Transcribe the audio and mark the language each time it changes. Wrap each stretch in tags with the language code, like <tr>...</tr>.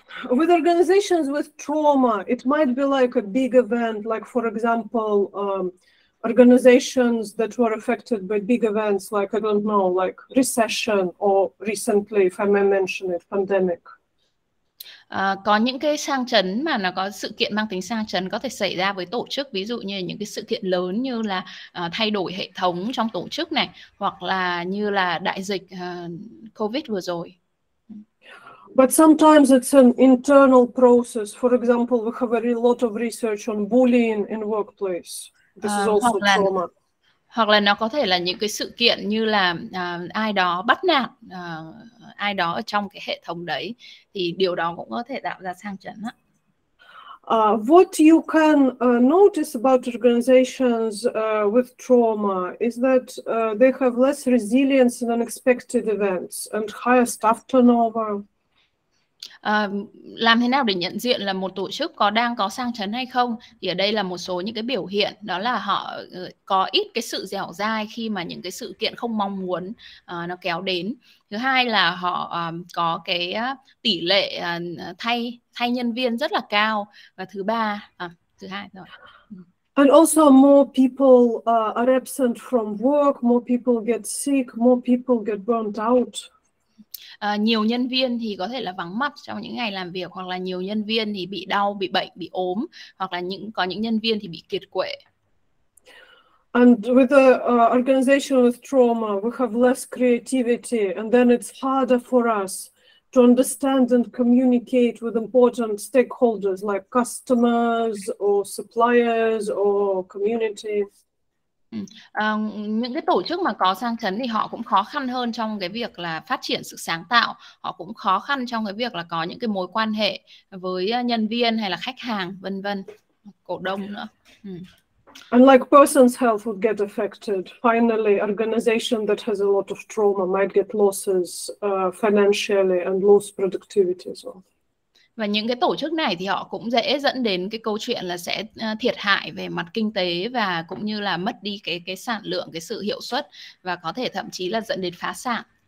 <en>With organizations with trauma, it might be like a big event, like for example, organizations that were affected by big events, like, I don't know, like recession or recently, if I may mention it, pandemic?</en> <vi>Có những cái sang chấn mà nó có sự kiện mang tính sang chấn có thể xảy ra với tổ chức, ví dụ như những cái sự kiện lớn như là thay đổi hệ thống trong tổ chức này, hoặc là như là đại dịch COVID vừa rồi.</vi> <en>But sometimes it's an internal process. For example, we have a lot of research on bullying in workplace. This is also trauma.</en> <vi>Hoặc là nó có thể là những cái sự kiện như là ai đó bắt nạt ai đó ở trong cái hệ thống đấy, thì điều đó cũng có thể tạo ra sang chấn đó.</vi> <en>What you can notice about organizations with trauma is that they have less resilience in unexpected events and higher staff turnover.</en> <vi>Làm thế nào để nhận diện là một tổ chức có đang có sang chấn hay không, thì ở đây là một số những cái biểu hiện, đó là họ có ít cái sự dẻo dai khi mà những cái sự kiện không mong muốn nó kéo đến. Thứ hai là họ có cái tỷ lệ thay nhân viên rất là cao. Và thứ hai rồi.</vi> <en>And also more people are absent from work, more people get sick, more people get burnt out.</en> <vi>Nhiều nhân viên thì có thể là vắng mặt trong những ngày làm việc, hoặc là nhiều nhân viên thì bị đau, bị bệnh, bị ốm, hoặc là có những nhân viên thì bị kiệt quệ.</vi> <en>And with the organization with trauma, we have less creativity, and then it's harder for us to understand and communicate with important stakeholders like customers or suppliers or community.</en> <vi>Những cái tổ chức mà có sang chấn thì họ cũng khó khăn hơn trong cái việc là phát triển sự sáng tạo. Họ cũng khó khăn trong cái việc là có những cái mối quan hệ với nhân viên hay là khách hàng, vân vân, cổ đông nữa.</vi> <en>And like person's health would get affected. Finally, organization that has a lot of trauma might get losses financially and lose productivity as well.</en> <vi>Và những cái tổ chức này thì họ cũng dễ dẫn đến cái câu chuyện là sẽ thiệt hại về mặt kinh tế, và cũng như là mất đi cái sản lượng, cái sự hiệu suất, và có thể thậm chí là dẫn đến phá sản.</vi>